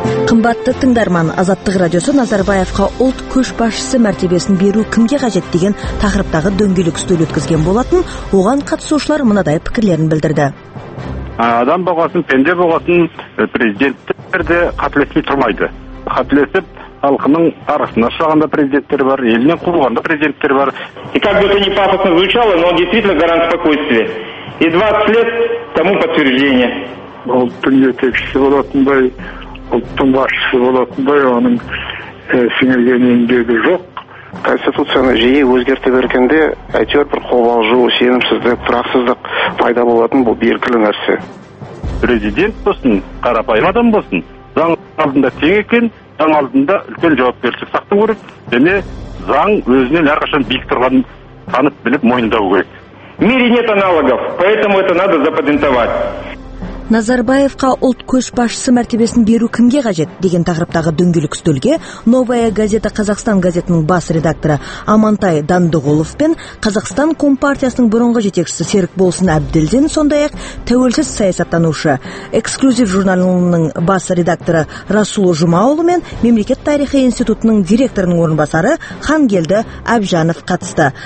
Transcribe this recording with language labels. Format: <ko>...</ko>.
<kk>Қымбатты тыңдарман, Азаттық радиосы Назарбаевқа ұлт көшбасшысы мәртебесін беру кімге қажет деген тақырыптағы дөңгелек үстел өткізген болатын, оған қатысушылар мынадай пікірлерін білдірді. Адам болғасын, пенде болғасын, президенттер де қателеспей тұрмайды. Қателесіп, халқының арасында шығанда президенттер бар, елінен қуылғанда президенттер бар.</kk> <ru>И как бы это ни пафосно звучало, но он действительно гарант спокойствия. И 20 лет тому подтверждение.</ru> <kk>Ұлттың жетекшісі болатындай, ұлттың басшысы болатындай оның сіңірген еңбегі жоқ. Конституцияны жиі өзгерте бергенде әйтеуір бір қобалжу, сенімсіздік, тұрақсыздық пайда болатын бұл белгілі нәрсе. Президент болсын, қарапайым адам болсын, заң алдында тең екен, заң алдында үлкен жауапкершілік сақтау керек және заң өзінен әрқашан биік тұрғанын танып біліп мойындау керек.</kk> <ru>В мире нет аналогов, поэтому это надо запатентовать.</ru> <kk>Назарбаевқа ұлт көшбасшысы мәртебесін беру кімге қажет деген тақырыптағы дөңгелек үстелге «Новая газета Қазақстан» газетінің бас редакторы Амантай Дандығұлов пен Қазақстан Компартиясының бұрынғы жетекшісі Серікболсын Әбділден сондай-ақ тәуелсіз саясаттанушы «Эксклюзив» журналының бас редакторы Расул Жұмаұлы мен мемлекет тарихы институтының директорының орынбасары Хангелді Әбжанов қатысты.</kk>